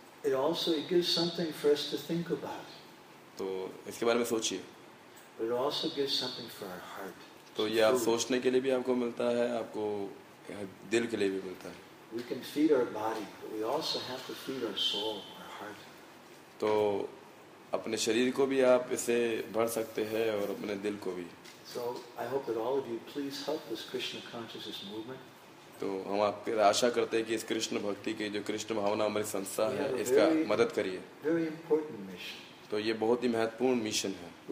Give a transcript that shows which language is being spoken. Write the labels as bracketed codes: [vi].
[en] It also it gives something for us to think about. [hi] तो इसके बारे में सोचिए. [en] But it also gives something for our heart. [hi] तो ये आप सोचने के लिए भी आपको मिलता है, आपको दिल के लिए भी मिलता है. [en] We can feed our body, but we also have to feed our soul, our heart. [hi] तो अपने शरीर को भी आप इसे भर सकते हैं और अपने दिल को भी. [en] So I hope that all of you please help this Krishna consciousness movement. [hi] तो हम आपके आशा करते हैं कि इस कृष्ण भक्ति के जो कृष्ण भावना हमारी संस्था है, इसका मदद करिए. तो ये बहुत ही महत्वपूर्ण मिशन है.